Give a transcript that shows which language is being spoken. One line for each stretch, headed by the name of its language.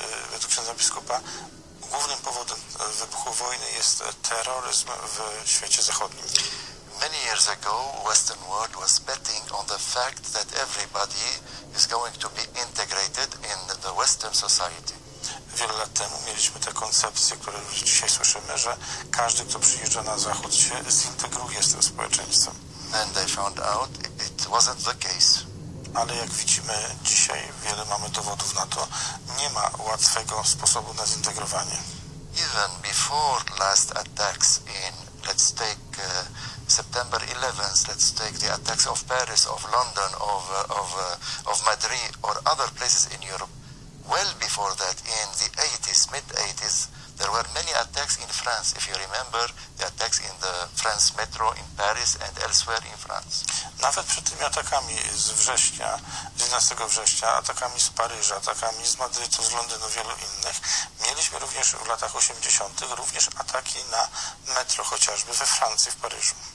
Polish: Według księdza biskupa, głównym powodem wybuchu wojny jest terroryzm w świecie zachodnim.
English: Many years ago, Western world was betting on the fact that everybody is going to be integrated in the Western society.
Polish: Wiele lat temu mieliśmy te koncepcje, które dzisiaj słyszymy, że każdy, kto przyjeżdża na Zachód, się zintegruje z tym społeczeństwem.
English: And they found out it wasn't the case.
Polish: Ale jak widzimy dzisiaj, wiele mamy dowodów na to, nie ma łatwego sposobu na zintegrowanie.
English: Even before last attacks in, let's take September 11th, let's take the attacks of Paris, of London, of Madrid, or other places in Europe. Well before that, in the 80s, mid-80s, there were many attacks in France. If you remember, the attacks in the France metro in Paris and elsewhere in France.
Polish: Nawet przed tymi atakami z września, 11 września, atakami z Paryża, atakami z Madrytu, z Londynu, wielu innych, mieliśmy również w latach 80. również ataki na metro, chociażby we Francji, w Paryżu.